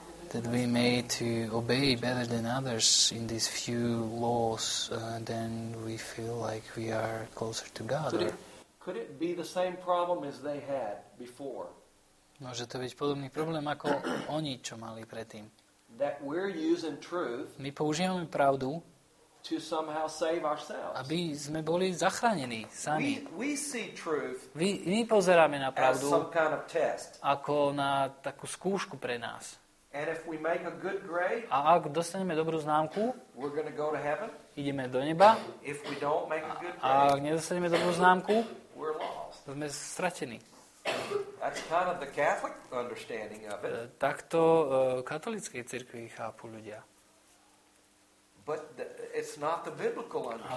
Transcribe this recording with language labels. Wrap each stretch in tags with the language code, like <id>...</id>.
<en>That we made to obey better than others in these few laws, then we feel like we are closer to God. Could it be the same problem as they had before?</en> <sk>Môže to byť podobný problém ako oni, čo mali predtým.</sk> <en>That we're using truth.</en> <sk>My používame pravdu.</sk> <en>To somehow save ourselves.</en> <sk>Aby sme boli zachránení sami.</sk> <en>We see truth.</en> <sk>My pozeráme na pravdu.</sk> <en>As some kind of test.</en> <sk>Ako na takú skúšku pre nás.</sk> <en>And if we make a good grade.</en> <sk>A ak dostaneme dobrú známku.</sk> <en>We're gonna go to heaven.</en> <sk>Ideme do neba.</sk> <en>If we don't make a good grade.</en> <sk>A ak nedostaneme dobrú známku.</sk> <en>We're lost.</en> <sk>Sme stratení.</sk> <en>That's kind of the Catholic understanding of it.</en> <sk>Takto katolíckej cirkvi chápu ľudia.</sk> <en>But it's not the biblical understanding.</en>